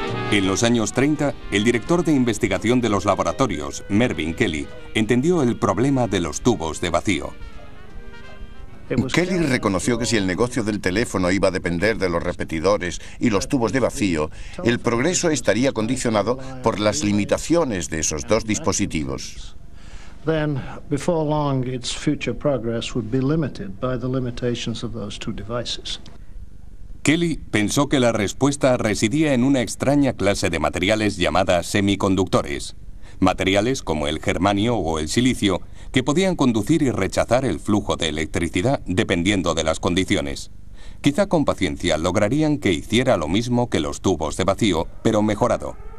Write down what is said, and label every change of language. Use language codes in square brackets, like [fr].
[es] En los años 30, el director de investigación de los laboratorios, Mervyn Kelly, entendió el problema de los tubos de vacío. Kelly reconoció que si el negocio del teléfono iba a depender de los repetidores y los tubos de vacío, el progreso estaría condicionado por las limitaciones de esos dos dispositivos. [en] then before long its future progress would be limited by the limitations of those two devices. [es] Kelly pensó que la respuesta residía en una extraña clase de materiales llamada semiconductores, materiales como el germanio o el silicio, que podían conducir y rechazar el flujo de electricidad dependiendo de las condiciones. Quizá con paciencia lograrían que hiciera lo mismo que los tubos de vacío, pero mejorado.